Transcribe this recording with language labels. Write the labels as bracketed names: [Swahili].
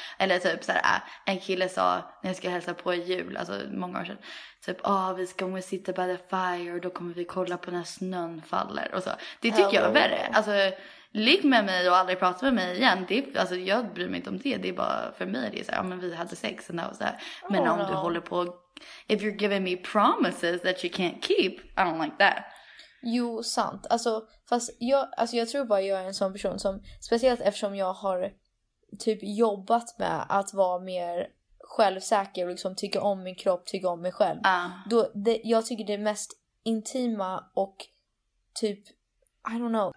[Swedish] Eller typ så här, en kille sa när jag ska hälsa på i jul, alltså många år sedan, typ, vi ska gå och sitta [English] by the fire [Swedish] och då kommer vi kolla på när snön faller och så. Det tycker jag är värre, alltså. Ligg med mig och aldrig prata med mig igen. Jag bryr mig inte om det. Det är bara för mig. Det är så här, men vi hade sex. [English] And that was that. [Swedish] Men om du håller på, [English] if you're giving me promises that you can't keep, I don't like that. [Swedish] Jo, sant. Alltså, fast jag tror bara jag är en sån person som, speciellt eftersom jag har typ jobbat med att vara mer självsäker och liksom tycka om min kropp, tycka om mig själv. Jag tycker det mest intima och typ, [English] I don't know.